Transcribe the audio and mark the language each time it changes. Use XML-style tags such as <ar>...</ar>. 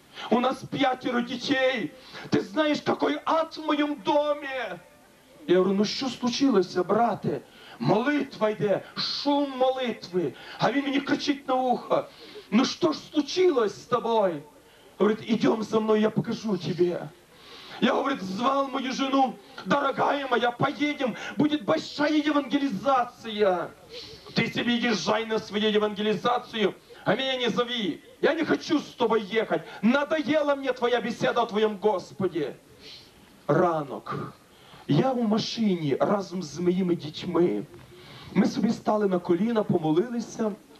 <uk>У нас 5 дітей, ти знаєш, який ад в моєму домі. Я говорю: ну що случилося, брате? Молитва йде, шум молитви. А він мені кричить на ухо: ну що ж случилось з тобою? Говорить: ідем за мною, я покажу тебе. Я, говорить,</uk> <ru>звал мою жену: дорогая моя, поедем, будет большая евангелизация.</ru> <uk>Ти собі їжджай на свою евангелізацію, а мене не зови. Я не хочу з тобою їхати. Надоела мені твоя беседа о твоєму Господі. Ранок. Я у машині разом з моїми дітьми. Ми собі стали на коліна, помолилися.</uk>